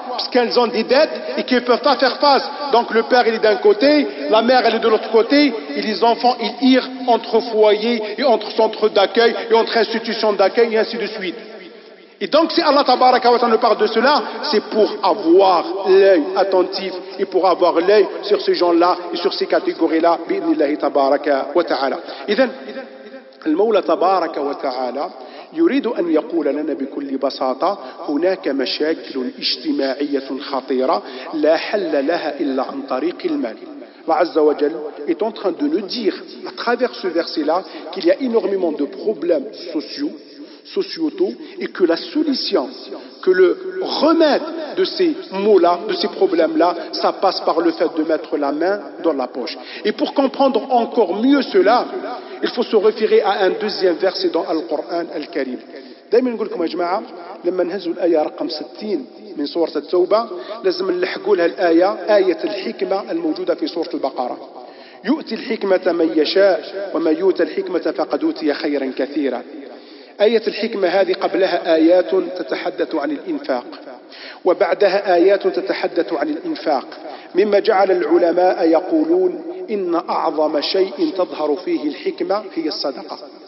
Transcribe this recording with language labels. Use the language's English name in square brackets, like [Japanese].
[French] Parce qu'elles ont des dettes et qu'elles ne peuvent pas faire face. Donc le père, il est d'un côté, la mère, elle est de l'autre côté, et les enfants, ils irent entre foyers et entre centres d'accueil et entre institutions d'accueil, et ainsi de suite. Et donc si Allah tabaraka wa ta'ala nous parle de cela, c'est pour avoir l'œil attentif et pour avoir l'œil sur ces gens-là et sur ces catégories-là, bi'idhnillah tabaraka wa ta'ala. [Arabic] Idhan, al-mawla tabaraka wa ta'ala يريد أن يقول لنا بكل بساطة هناك مشاكل اجتماعية خطيرة لا حل لها إلا عن طريق المال. [French] Allah عز وجل est en train de nous dire à travers ce verset-là qu'il y a énormément de problèmes sociaux et que la solution, que le remède de ces maux-là, de ces problèmes-là, ça passe par le fait de mettre la main dans la poche. Et pour comprendre encore mieux cela, il faut se référer à un deuxième verset dans Al-Qur'an Al-Karim. [Arabic] دائما نقول لكم يا جماعه لما نهزوا الايه رقم 60 من سوره التوبه لازم نلحقوا لها الايه ايه الحكمه الموجوده في سوره البقره. يؤتي الحكمه من يشاء وما يؤتى الحكمه فقد اوتي خيرا كثيرا. آية الحكمة هذه قبلها آيات تتحدث عن الإنفاق، وبعدها آيات تتحدث عن الإنفاق، مما جعل العلماء يقولون إن أعظم شيء تظهر فيه الحكمة هي الصدقة.